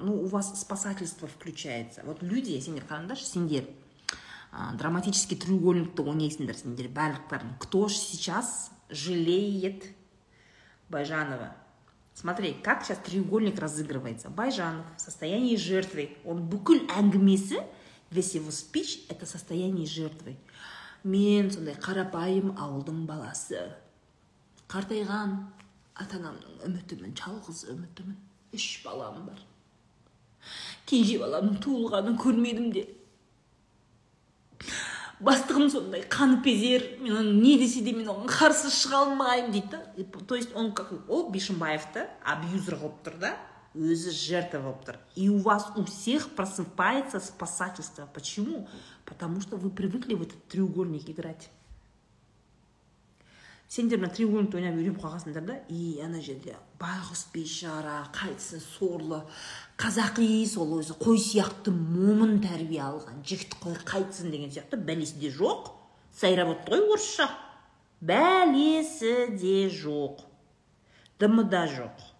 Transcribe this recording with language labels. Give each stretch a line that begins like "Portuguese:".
Russian: Ну, у вас спасательство включается. Вот люди,
Kazakh: сендер қарандаш, сендер драматический треугольникті ойнайсыңдар, сендер барлықтарың.
Russian: Кто ж сейчас жалеет Байжанова? Смотри, как сейчас треугольник разыгрывается. Байжанов в состоянии жертвы.
Kazakh: Он бүкіл әңгімесі,
Russian: весь его спич, это состояние жертвы.
Kazakh: Мен сондай қарапайым ауылдың баласы. Қартайған ата-анамның үмітімін, жалғыз үмітімін, үш балам бар. Кенже баламның туылғанын көрмедім де. Бастығым сондай қаныпезер, мен оны не десе де мен оған қарсы шыға алмаймын дейді.
Russian: То есть он как
Kazakh: ол Бишімбаевты абьюзер қылып тұр да, өзі жертва болып тұр.
Russian: И у вас у всех просыпается спасательство. Почему? Потому что вы привыкли в этот треугольник играть.
Kazakh: Сендер мына треугольникті ойнап үйреніп қалғансыңдар да, и ана жерде байғұс бейшара қайтсын сорлы қазақи сол өзі қой сияқты момын тәрбие алған жігіт қой қайтсын деген сияқты бәлесі де жоқ, сайрап отыр ғой орысша, бәлесі де жоқ, дымы да жоқ.